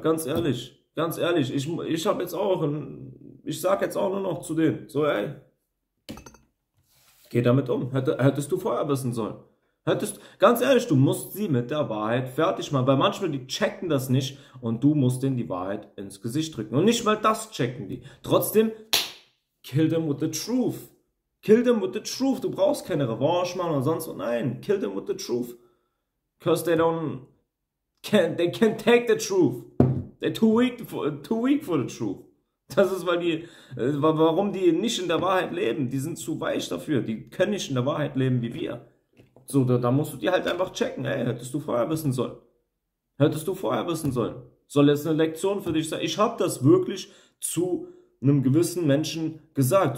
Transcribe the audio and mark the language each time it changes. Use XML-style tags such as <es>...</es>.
<de>Ganz ehrlich, ich habe jetzt auch, ich sag jetzt auch nur noch zu denen, so ey, geh damit um. Hättest du vorher wissen sollen. Ganz ehrlich, du musst sie mit der Wahrheit fertig machen, weil manchmal die checken das nicht und du musst denen die Wahrheit ins Gesicht drücken. Und nicht mal das checken die.</de> <en>Trotzdem, kill them with the truth. Kill them with the truth.</en> <de>Du brauchst keine Revanche machen oder sonst was.</de> <en>Nein, kill them with the truth. Because they can't take the truth. They're too weak for the truth.</en> <de>Das ist, warum die nicht in der Wahrheit leben. Die sind zu weich dafür. Die können nicht in der Wahrheit leben wie wir. So, da musst du die halt einfach checken. Ey, hättest du vorher wissen sollen. Hättest du vorher wissen sollen. Soll jetzt eine Lektion für dich sein. Ich habe das wirklich zu einem gewissen Menschen gesagt.</de>